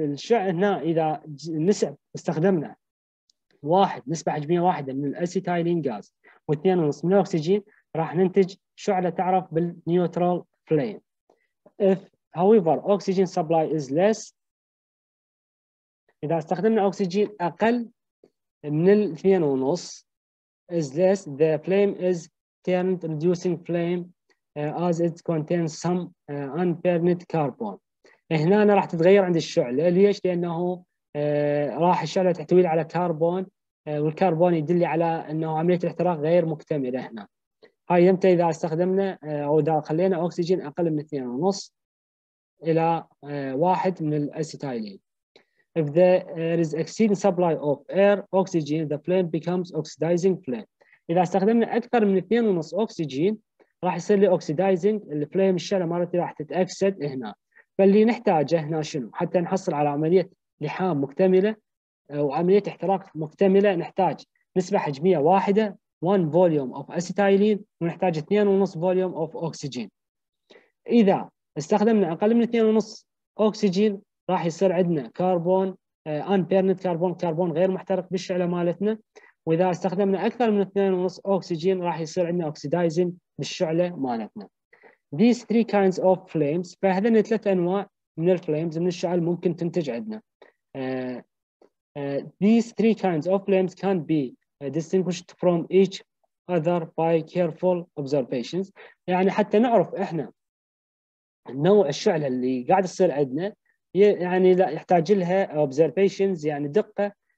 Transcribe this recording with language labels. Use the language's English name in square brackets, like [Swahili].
[Arabic] هنا اذا نسب استخدمنا واحد نسبه حجميه واحده من الاسيتايلين غاز و2.5 من الاكسجين، راح ننتج شعله تعرف بالنيوترال فليم. [English] If however oxygen supply is less، [Arabic] اذا استخدمنا اكسجين اقل من ال 2.5 [English] is less, the flame is termed reducing flame as it contains some unburned carbon. [Arabic] هنا أنا راح تتغير عند الشعله. ليش؟ لانه راح الشعله تحتوي على كربون، والكربون يدل لي على انه عمليه الاحتراق غير مكتمله. هنا هاي امتى؟ اذا استخدمنا او اذا خلينا اكسجين اقل من 2.5 الى 1 من الاسيتايلين. [English] If there is exceeding supply of air oxygen, the flame becomes oxidizing flame. [Arabic] اذا استخدمنا اكثر من 2.5 اكسجين راح يصير لي اوكسيدايزنج الفليم، الشعله مالتي راح تتاكسد هنا. فاللي نحتاجه هنا شنو؟ حتى نحصل على عمليه لحام مكتمله وعمليه احتراق مكتمله، نحتاج نسبه حجميه واحده 1 فوليوم اوف اسيتايلين، ونحتاج 2.5 فوليوم اوف اوكسجين. اذا استخدمنا اقل من 2.5 اوكسجين راح يصير عندنا كربون انبيرنت كربون، كربون غير محترق بالشعله مالتنا، واذا استخدمنا اكثر من 2.5 اوكسجين راح يصير عندنا اوكسيدايزن بالشعله مالتنا. [English] These three kinds of flames، [Arabic] فهذن ثلاث انواع من الفلامز من الشعل ممكن تنتج عندنا. [English] These three kinds of flames can be distinguished from each other by careful observations. [Arabic] يعني حتى نعرف احنا نوع الشعله اللي قاعد تصير عندنا، يعني لا يحتاج لها observations، يعني دقه